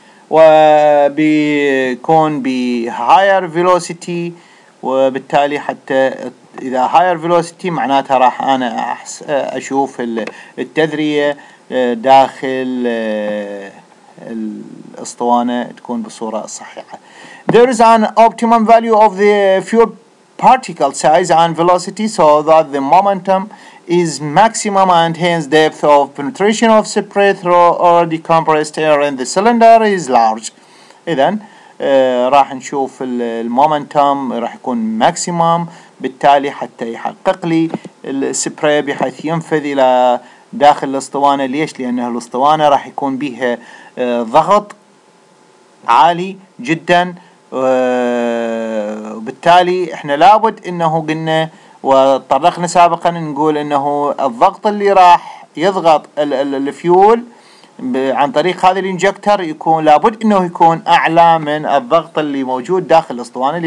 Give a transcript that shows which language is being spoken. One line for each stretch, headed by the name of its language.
Arabic: وبيكون بهاير فيلوسيتي، وبالتالي حتى إذا higher velocity معناتها راح أنا أشوف التذرية داخل الأسطوانة تكون بصورة صحيحة.
English: There is an optimum value of the fuel particle size and velocity so that the momentum is maximum and hence depth of penetration of separate or already compressed air in the cylinder is large.
Arabic: إذن راح نشوف المومنتم راح يكون ماكسيمم، بالتالي حتى يحقق لي السبراي بحيث ينفذ الى داخل الاسطوانه. ليش؟ لان الاسطوانه راح يكون بها ضغط عالي جدا، وبالتالي احنا لابد انه قلنا وطرقنا سابقا نقول انه الضغط اللي راح يضغط الفيول عن طريق هذا الانجكتر يكون لابد انه يكون اعلى من الضغط اللي موجود داخل الاسطوانه.